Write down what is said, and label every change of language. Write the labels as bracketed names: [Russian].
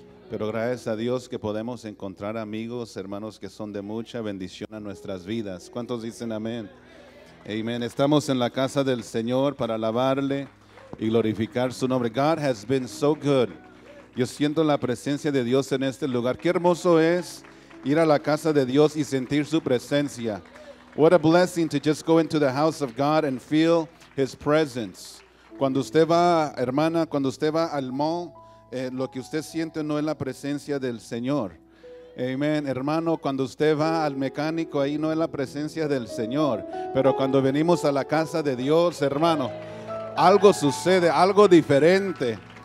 [Spanish] Pero gracias a Dios que podemos encontrar amigos, hermanos, que son de mucha bendición a nuestras vidas. ¿Cuántos dicen amén? Amén. Estamos en la casa del Señor para alabarle y glorificar su nombre. [English] God has been so good. [Spanish] Yo siento la presencia de Dios en este lugar. Qué hermoso es ir a la casa de Dios y sentir su presencia. [English] What a blessing to just go into the house of God and feel His presence. [Spanish] Cuando usted va, hermana, cuando usted va al mall, lo que usted siente no es la presencia del Señor. Amen. Hermano, cuando usted va al mecánico, ahí no es la presencia del Señor. Pero cuando venimos a la casa de Dios, hermano, algo sucede, algo diferente.